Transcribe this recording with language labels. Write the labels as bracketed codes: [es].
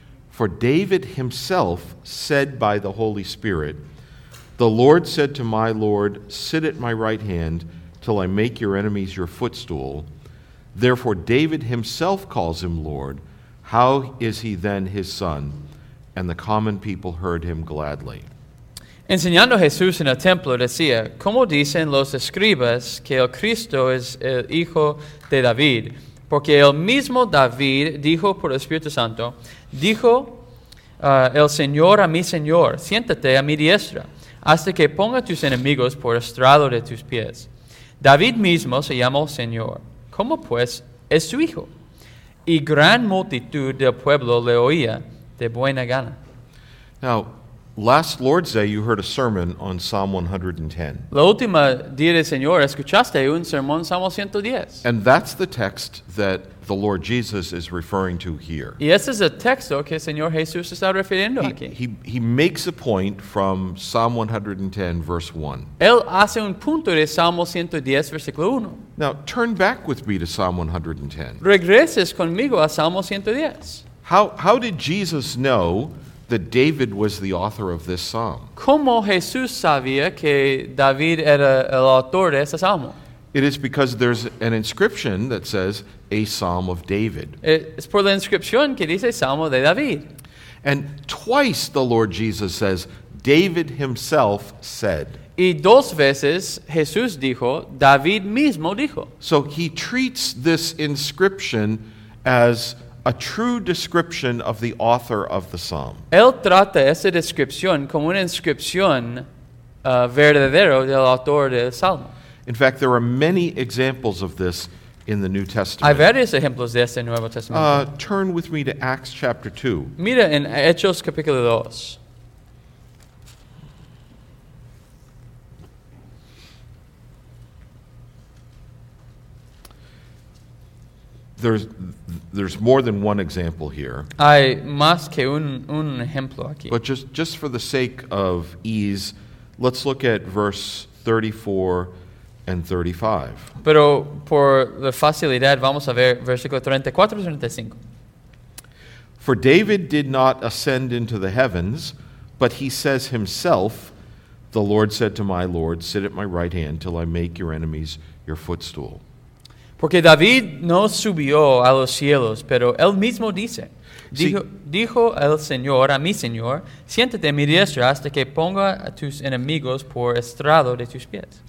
[en] For David himself said by the Holy Spirit, 'The Lord said to my Lord, sit at my right hand till I make your enemies your footstool.' Therefore David himself calls him Lord. How is he then his son?" And the common people heard him gladly. [es] Enseñando Jesús en el templo, decía, ¿cómo dicen los escribas que el Cristo es el hijo de David? Porque el mismo David dijo por el Espíritu Santo, dijo el Señor a mi Señor, siéntate a mi diestra, hasta que ponga tus enemigos por estrado de tus pies. David mismo se llamó Señor. ¿Cómo pues es su hijo? Y gran multitud del pueblo le oía de buena gana. [en] Now, last Lord's Day, you heard a sermon on Psalm 110. [es] La última día del Señor, escuchaste un sermón Salmo 110. [en] And that's the text that the Lord Jesus is referring to here. [es] Y ese es el texto que el Señor Jesús está refiriendo aquí. [en] He makes a point from Psalm 110, verse 1. [es] Él hace un punto de Salmo 110, versículo 1. [en] Now, turn back with me to Psalm 110. [es] Regreses conmigo a Salmo 110. [en] How did Jesus know that David was the author of this psalm? [es] ¿Cómo Jesús sabía que David era el autor de ese salmo? [en] It is because there's an inscription that says, "A Psalm of David." [es] Es por la inscripción que dice Salmo de David. [en] And twice the Lord Jesus says, "David himself said." [es] Y dos veces Jesús dijo, "David mismo dijo." [en] So he treats this inscription as a true description of the author of the psalm. [es] Él trata esa descripción como una inscripción verdadero del autor del salmo. [en] In fact, there are many examples of this in the New Testament. [es] Hay varios ejemplos de este en Nuevo Testamento. [en] Turn with me to Acts chapter 2. [es] Mira en Hechos capítulo 2. [en] There's more than one example here. [es] Hay más que un ejemplo aquí. [en] But just for the sake of ease, let's look at verse 34 and 35. [es] Pero por la facilidad, vamos a ver versículo 34 y 35. [en] "For David did not ascend into the heavens, but he says himself, 'The Lord said to my Lord, sit at my right hand till I make your enemies your footstool.'" [es] Porque David no subió a los cielos, pero él mismo dice, dijo el Señor a mi Señor, siéntate a mi diestra hasta que ponga a tus enemigos por estrado de tus pies.